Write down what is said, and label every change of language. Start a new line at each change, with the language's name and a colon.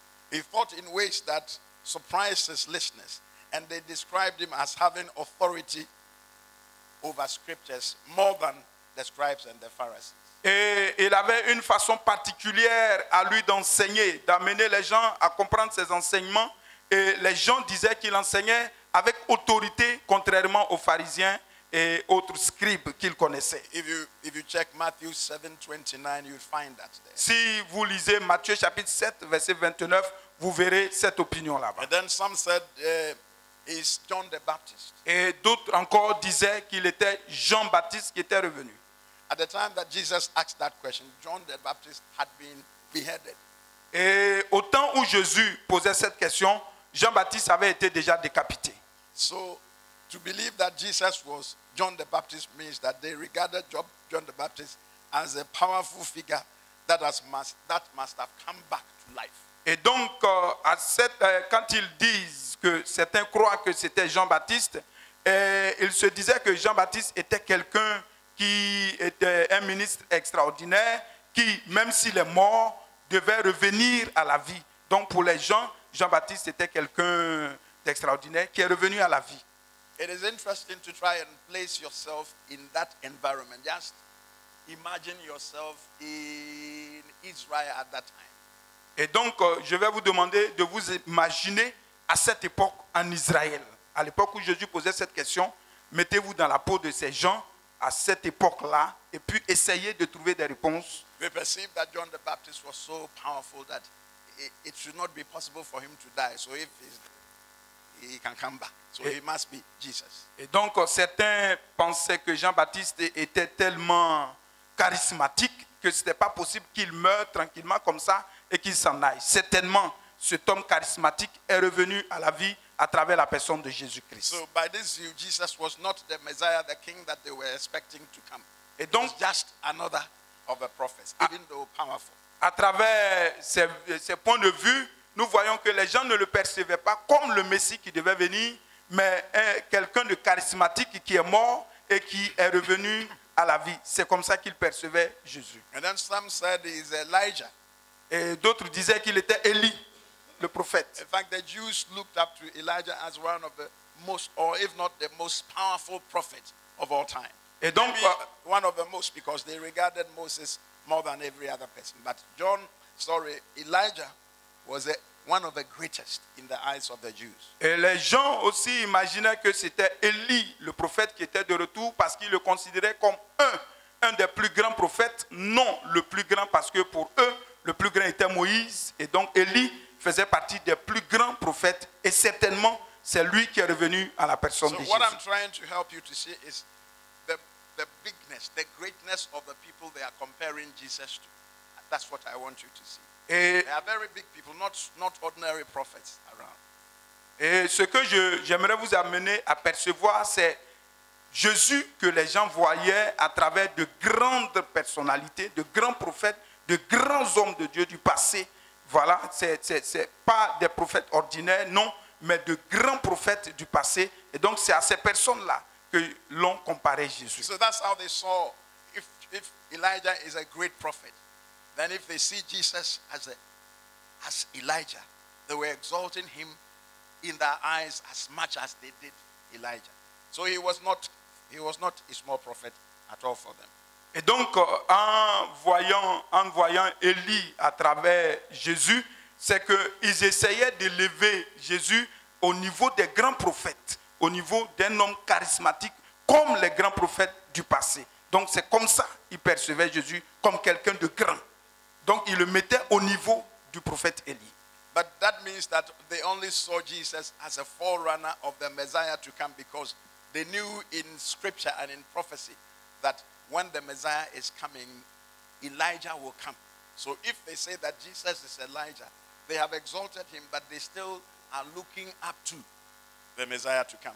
English: He thought in ways that surprised his listeners, and they described him as having authority over scriptures more than the scribes and the Pharisees.
French: Et il avait une façon particulière à lui d'enseigner, d'amener les gens à comprendre ses enseignements. Et les gens disaient qu'il enseignait avec autorité, contrairement aux pharisiens et autres scribes qu'il connaissait.
English: If you check Matthew 7:29, you'll find that there.
French: Si vous lisez Matthieu chapitre 7, verset 29, vous verrez cette opinion là-bas.
English: And then some said, he's John the Baptist.
French: Et d'autres encore disaient qu'il était Jean-Baptiste qui était revenu.
English: At the time that Jesus asked that question, John the Baptist had been beheaded.
French: Et au temps où Jésus posait cette question, Jean-Baptiste avait été déjà décapité.
English: So, to believe that Jesus was John the Baptist means that they regarded John the Baptist as a powerful figure that must have come back to life.
French: Et donc, quand ils disent que certains croient que c'était Jean-Baptiste, ils se disaient que Jean-Baptiste était quelqu'un qui était un ministre extraordinaire, qui, même s'il est mort, devait revenir à la vie. Donc, pour les gens, Jean-Baptiste était quelqu'un d'extraordinaire qui est revenu à la vie.
English: It is interesting to try and place yourself in that environment. Just imagine yourself in Israel at that time.
French: Et donc, je vais vous demander de vous imaginer à cette époque en Israël. À l'époque où Jésus posait cette question, mettez-vous dans la peau de ces gens à cette époque-là, et puis essayer de trouver des réponses.
English: We perceive that John the Baptist was so powerful that it should not be possible for him to die. So if he can come back, so he must be Jesus.
French: Et donc certains pensaient que Jean-Baptiste était tellement charismatique que c'était pas possible qu'il meure tranquillement comme ça et qu'il s'en aille. Certainement, cet homme charismatique est revenu à la vie à travers la personne de Jésus-Christ.
English: So by this view, Jesus was not the Messiah, the King that they were expecting to come.
French: Et donc,
English: he was just another of the prophets, even though powerful.
French: À travers ces points de vue, nous voyons que les gens ne le percevaient pas comme le Messie qui devait venir, mais quelqu'un de charismatique qui est mort et qui est revenu à la vie. C'est comme ça qu'ils percevaient Jésus.
English: And then some said he's Elijah.
French: Et d'autres disaient qu'il était Élie. Le prophète.
English: In fact, the Jews looked up to Elijah as one of the most, or if not the most powerful prophet of all time.
French: Et donc,
English: one of the most, because they regarded Moses more than every other person. But Elijah was one of the greatest in the eyes of the Jews.
French: Et les gens aussi imaginaient que c'était Élie, le prophète, qui était de retour parce qu'ils le considéraient comme un des plus grands prophètes. Non, le plus grand, parce que pour eux, le plus grand était Moïse. Et donc, Élie faisait partie des plus grands prophètes, et certainement c'est lui qui est revenu à la personne de
English: greatness, the greatness of the people they are comparing Jesus to. That's what I want you to see.
French: Et
English: they are very big people, not ordinary prophets around.
French: Et ce que j'aimerais vous amener à percevoir, c'est Jésus que les gens voyaient à travers de grandes personnalités, de grands prophètes, de grands hommes de Dieu du passé. Voilà, c'est pas des prophètes ordinaires, non, mais de grands prophètes du passé. Et donc, c'est à ces personnes-là que l'on comparait Jésus.
English: So that's how they saw if Elijah is a great prophet, then if they see Jesus as Elijah, they were exalting him in their eyes as much as they did Elijah. So he was not a small prophet at all for them.
French: Et donc, en voyant Élie à travers Jésus, c'est qu'ils essayaient d'élever Jésus au niveau des grands prophètes, au niveau d'un homme charismatique comme les grands prophètes du passé. Donc, c'est comme ça qu'ils percevaient Jésus comme quelqu'un de grand. Donc, ils le mettaient au niveau du prophète Élie.
English: But that means that they only saw Jesus as a forerunner of the Messiah to come because they knew in scripture and in prophecy that when the Messiah is coming, Elijah will come. So if they say that Jesus is Elijah, they have exalted him, but they still are looking up to the Messiah to come.